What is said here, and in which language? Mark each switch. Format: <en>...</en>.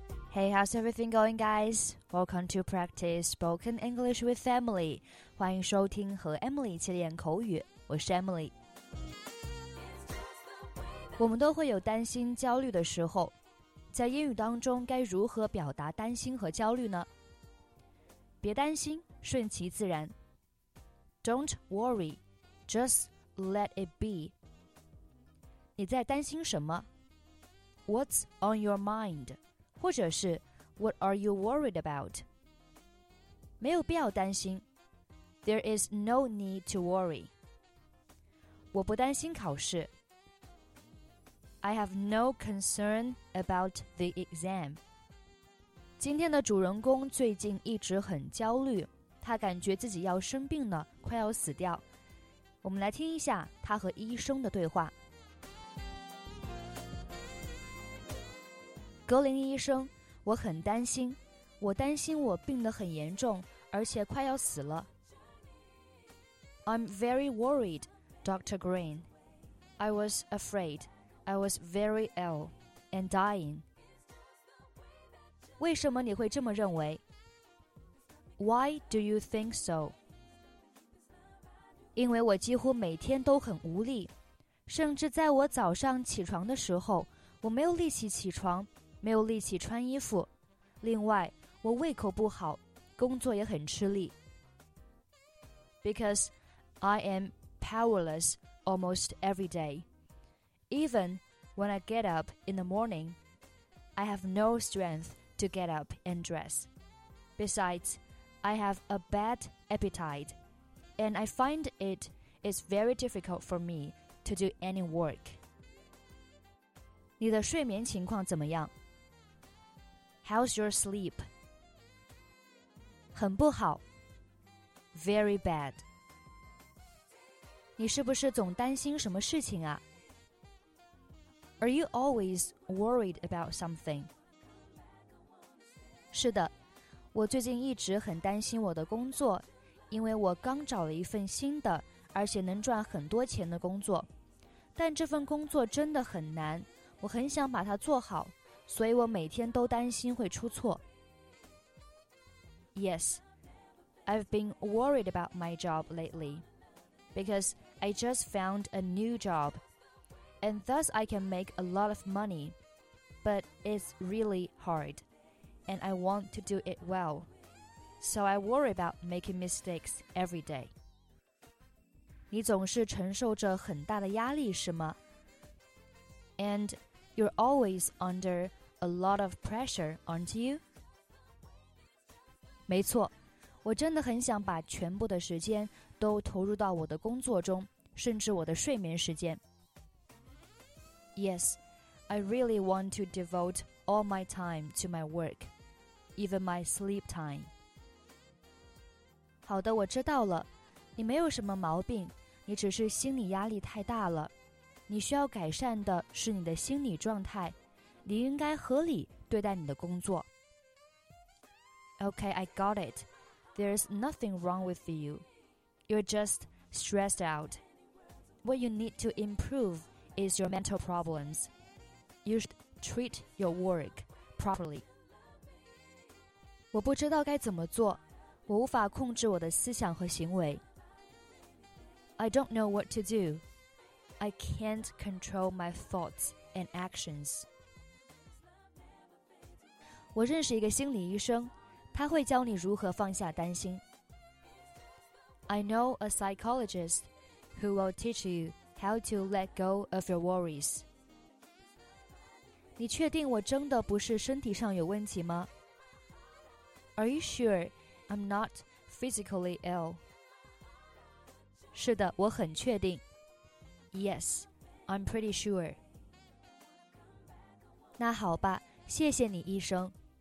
<en>Hey, how's everything going, guys? Welcome to practice spoken English with Emily.</en> <zh>欢迎收听和 Emily 一起练口语。我是 Emily。我们都会有担心焦虑的时候，在英语当中该如何表达担心和焦虑呢？别担心，顺其自然。</zh> <en>Don't worry, just let it be.</en> <zh>你在担心什么？</zh> <en>What's on your mind?</en> <zh>或者是</zh> <en>What are you worried about?</en> <zh>没有必要担心。</zh> <en>There is no need to worry.</en> <zh>我不担心考试。</zh> <en>I have no concern about the exam.</en> <zh>今天的主人公最近一直很焦虑，他感觉自己要生病了，快要死掉。我们来听一下他和医生的对话。格林医生，我很担心，我担心我病得很严重，而且快要死了。</zh> <en>I'm very worried, Dr. Green. I was afraid. I was very ill and dying.</en> <zh>为什么你会这么认为？</zh> <en>Why do you think so?</en> <zh>因为我几乎每天都很无力，甚至在我早上起床的时候，我没有力气起床。没有力气穿衣服，另外我胃口不好，工作也很吃力。</zh> <en>Because I am powerless almost every day. Even when I get up in the morning, I have no strength to get up and dress. Besides, I have a bad appetite, and I find it is very difficult for me to do any work.</en> <zh>你的睡眠情况怎么样？</zh> <en>How's your sleep?</en> <zh>很不好。</zh> <en>Very bad.</en> <zh>你是不是总担心什么事情啊？</zh> <en>Are you always worried about something?</en> <zh>是的，我最近一直很担心我的工作，因为我刚找了一份新的，而且能赚很多钱的工作。但这份工作真的很难，我很想把它做好。所以我每天都担心会出错。</zh> <en>Yes, I've been worried about my job lately, because I just found a new job, and thus I can make a lot of money, but it's really hard, and I want to do it well, so I worry about making mistakes every day.</en> <zh>你总是承受着很大的压力，是吗？</zh> <en>And you're always under... A lot of pressure, aren't you?</en> <zh>没错，我真的很想把全部的时间都投入到我的工作中，甚至我的睡眠时间。</zh> <en>Yes, I really want to devote all my time to my work, even my sleep time.</en> <zh>好的，我知道了，你没有什么毛病，你只是心理压力太大了，你需要改善的是你的心理状态。你应该合理对待你的工作。</zh> <en>Okay, I got it. There's nothing wrong with you. You're just stressed out. What you need to improve is your mental problems. You should treat your work properly.</en> <zh>我不知道该怎么做，我无法控制我的思想和行为。</zh> <en>I don't know what to do. I can't control my thoughts and actions.</en> <zh>我认识一个心理医生，他会教你如何放下担心。</zh> <en>I know a psychologist who will teach you how to let go of your worries.</en> <zh>你确定我真的不是身体上有问题吗？</zh> <en>Are you sure I'm not physically ill?</en> <zh>是的，我很确定。</zh> <en>Yes, I'm pretty sure.</en> <zh>那好吧，谢谢你，医生。</zh>